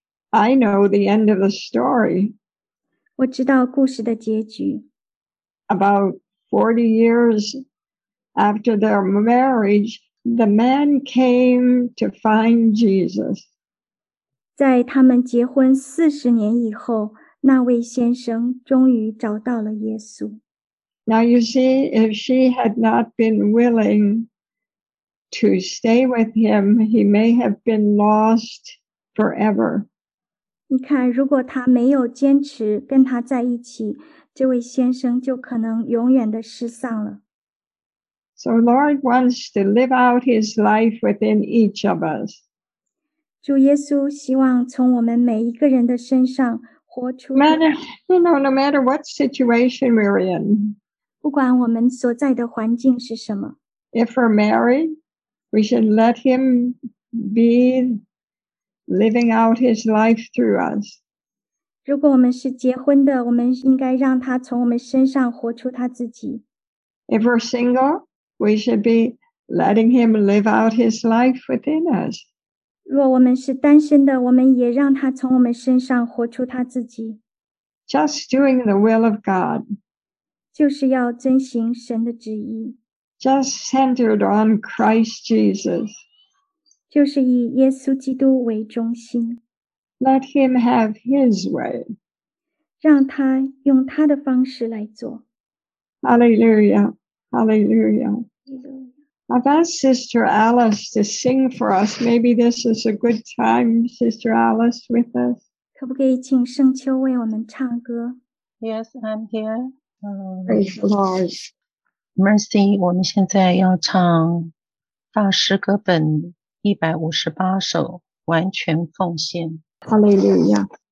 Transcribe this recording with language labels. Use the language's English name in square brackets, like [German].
[English] I know the end of the story. [Chinese] 我知道故事的结局。 [English] About 40 years after their marriage, the man came to find Jesus. [Chinese] 在他们结婚40年以后，那位先生终于找到了耶稣。 [English] Now you see, if she had not been willing to stay with him, he may have been lost forever. [Chinese] 你看，如果他没有坚持跟他在一起，这位先生就可能永远的失丧了。 [English] So Lord wants to live out his life within each of us. [Chinese] 主耶稣希望从我们每一个人的身上活出。 [English] No matter what situation we're in. [Chinese] 不管我们所在的环境是什么。 [English] If we're married, we should let him be living out his life through us. [Chinese] 如果我们是结婚的，我们应该让他从我们身上活出他自己。 [English] If we're single, we should be letting him live out his life within us. [Chinese] 若我们是单身的，我们也让他从我们身上活出他自己。 [English] Just doing the will of God. [Chinese] 就是要遵行神的旨意。 [English] Just centered on Christ Jesus. [Chinese] 就是以耶稣基督为中心。 [English] Let him have his way. [Chinese] 让他用他的方式来做。 [English] Hallelujah. Hallelujah. I've asked Sister Alice to sing for us. Maybe this is a good time, Sister Alice, with us. [Chinese] 可不可以请圣秋为我们唱歌? [English] Yes, I'm here. Praise the Lord. [Chinese] Mercy, 我们现在要唱大诗歌本158首完全奉献。 [English] Hallelujah.